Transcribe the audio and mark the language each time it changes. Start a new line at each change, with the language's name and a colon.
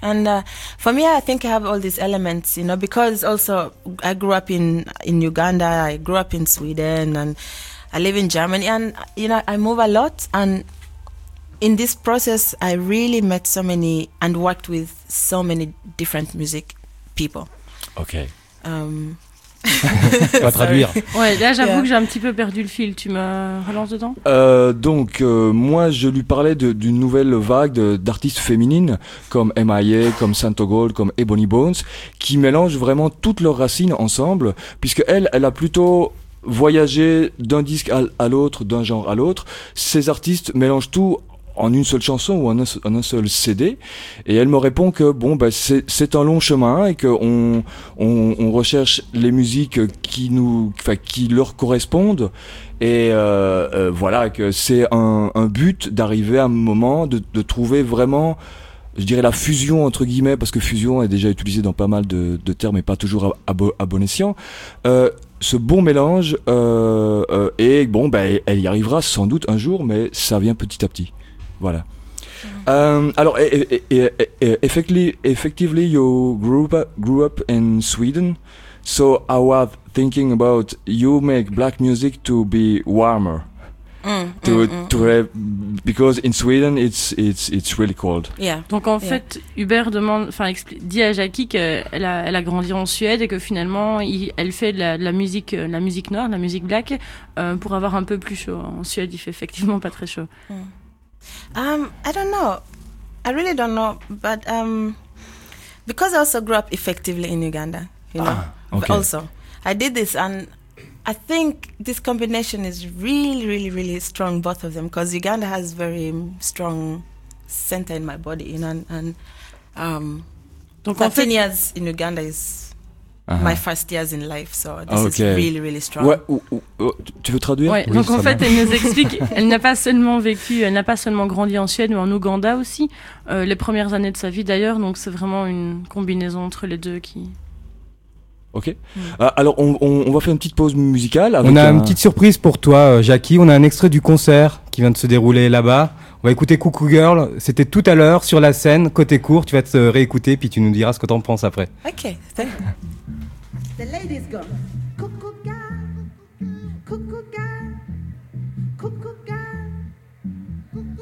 English: And for me, I think I have all these elements, you know, because also I grew up in Uganda, I grew up in Sweden, and I live in Germany, and, you know, I move a lot, and in this process, I really met so many and worked with so many different music people. Okay.
French: Tu vas traduire. Ouais, là j'avoue que j'ai un petit peu perdu le fil. Tu me relances dedans? Moi je lui parlais d'une nouvelle vague d'artistes féminines comme M.I.A., comme Santo Gold, comme Ebony Bones, qui mélangent vraiment toutes leurs racines ensemble, puisque elle a plutôt voyagé d'un disque à l'autre, d'un genre à l'autre. Ces artistes mélangent tout en une seule chanson ou en un seul CD, et elle me répond que bon, ben c'est un long chemin et que on recherche les musiques qui nous, enfin qui leur correspondent, et voilà, que c'est un but d'arriver à un moment de trouver vraiment, je dirais, la fusion entre guillemets, parce que fusion est déjà utilisée dans pas mal de termes et pas toujours à bon escient. Ce bon mélange, et bon, ben elle y arrivera sans doute un jour, mais ça vient petit à petit. Voilà.
English: Alors, effectively, you grew up in Sweden, so I was thinking about you make black music to be warmer, because in Sweden it's really cold. Yeah.
French: Donc en fait, Hubert demande, enfin dit à Jackie qu'elle a grandi en Suède et que finalement elle fait de la musique noire, de la musique black, pour avoir un peu plus chaud. En Suède, il fait effectivement pas très chaud. Mm.
English: I don't know. I really don't know. But because I also grew up effectively in Uganda, you know. Okay. Also, I did this, and I think this combination is really, really, really strong. Both of them, because Uganda has very strong center in my body, you know. And 13 years in Uganda is my first years in life, so this is really, really strong.
French: Ouais, tu veux traduire? Ouais, oui, donc en fait, elle nous explique, elle n'a pas seulement grandi en Suède, mais en Ouganda aussi, les premières années de sa vie d'ailleurs, donc c'est vraiment une combinaison entre les deux qui... Ok, alors on va faire une petite pause musicale. On a une petite surprise pour toi, Jackie, on a un extrait du concert qui vient de se dérouler là-bas. On va écouter Cuckoo Girl, c'était tout à l'heure sur la scène, côté court, tu vas te réécouter, puis tu nous diras ce que t'en penses après. Ok, c'est...
English: The ladies go, cuckoo girl, cuckoo girl, cuckoo girl.